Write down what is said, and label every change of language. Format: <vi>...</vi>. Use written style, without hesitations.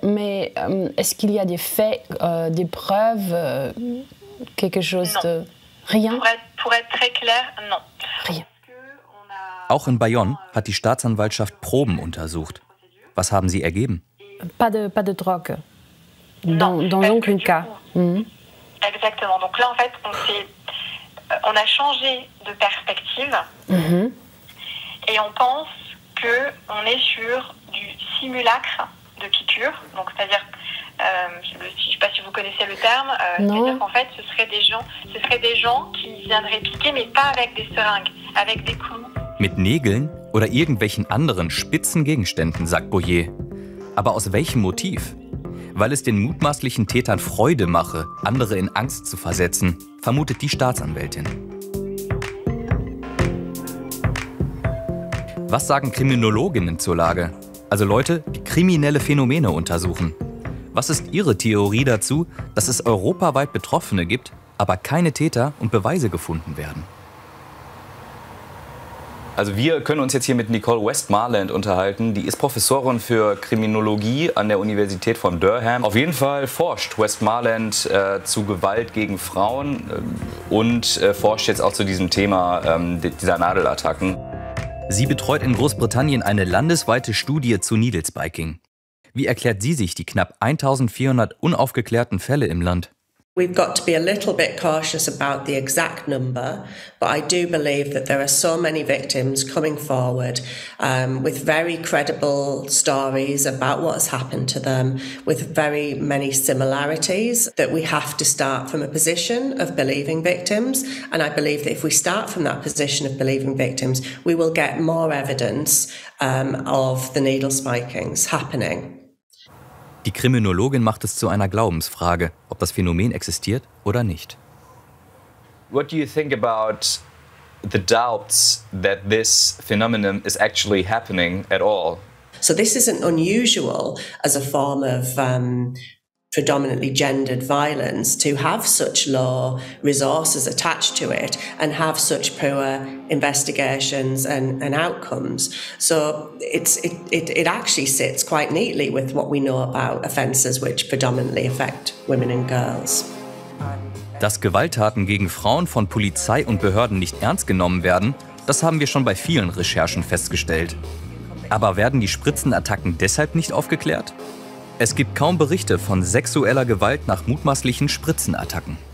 <fr>Mais est-ce qu'il y a des faits, des preuves, quelque chose de... Rien. Pour être très clair, non. Rien.</fr> <de>Auch in Bayonne hat die Staatsanwaltschaft Proben untersucht. Was haben sie ergeben?</de> <fr>Pas de drogue. Dans aucun cas. Exactement. Donc là, en fait, on a changé de perspective. Et on pense que on est sur du simulacre de piqûre. Donc c'est-à-dire je ne sais pas si vous connaissez le terme, c'est-à-dire qu'en fait, ce seraient des gens qui viendraient piquer, mais pas avec des seringues, avec des clous.</fr> <de>Mit Nägeln oder irgendwelchen anderen spitzen Gegenständen, sagt Boyer. Aber aus welchem Motiv? Weil es den mutmaßlichen Tätern Freude mache, andere in Angst zu versetzen, vermutet die Staatsanwältin. Was sagen Kriminologinnen zur Lage? Also Leute, die kriminelle Phänomene untersuchen. Was ist Ihre Theorie dazu, dass es europaweit Betroffene gibt, aber keine Täter und Beweise gefunden werden? Also wir können uns jetzt hier mit Nicole Westmarland unterhalten. Die ist Professorin für Kriminologie an der Universität von Durham. Auf jeden Fall forscht Westmarland zu Gewalt gegen Frauen und forscht jetzt auch zu diesem Thema dieser Nadelattacken. Sie betreut in Großbritannien eine landesweite Studie zu Needlespiking. Wie erklärt sie sich die knapp 1400 unaufgeklärten Fälle im Land?</de> <en>We've got to be a little bit cautious about the exact number, but I do believe that there are so many victims coming forward with very credible stories about what's happened to them, with very many similarities, that we have to start from a position of believing victims. And I believe that if we start from that position of believing victims, we will get more evidence of the needle spikings happening.</en> <de>Die Kriminologin macht es zu einer Glaubensfrage, ob das Phänomen existiert oder nicht.</de> <en>What do you think about the doubts that this phenomenon is actually happening at all? So this isn't unusual as a form of predominantly gendered violence to have such low resources attached to it and have such poor investigations and outcomes. So it actually sits quite neatly with what we know about offences which predominantly affect women and girls.</en> <de>Dass Gewalttaten gegen Frauen von Polizei und Behörden nicht ernst genommen werden, das haben wir schon bei vielen Recherchen festgestellt. Aber werden die Spritzenattacken deshalb nicht aufgeklärt? Es gibt kaum Berichte von sexueller Gewalt nach mutmaßlichen Spritzenattacken.</de>